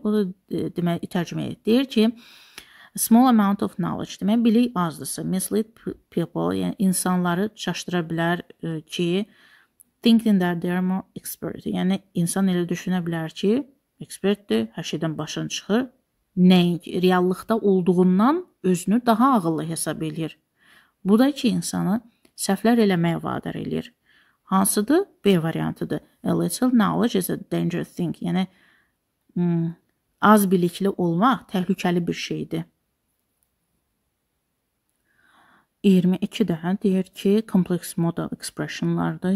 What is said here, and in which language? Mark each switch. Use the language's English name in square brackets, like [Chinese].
[Azerbaijani] O da demək, tərcümə edir. Deyir ki, [English] small amount of knowledge, [Azerbaijani] demək, bilik azdırsa, [English] mislead people, [Azerbaijani] yəni insanları çaşdıra bilər ki, [English] thinking that they are more expert. [Azerbaijani] Yəni, insan elə düşünə bilər ki, expertdir, hər şeydən başını çıxır. Nəinki, reallıqda olduğundan özünü daha ağıllı hesab edir. Bu da ki, insanı səhvlər eləməyə vadar edir. Hansıdır? B variantıdır. [English] A little knowledge is a dangerous thing. [Azerbaijani] Yəni, az bilikli olmaq təhlükəli bir şeydir. 22-də deyir ki, kompleks modal expressionlardır.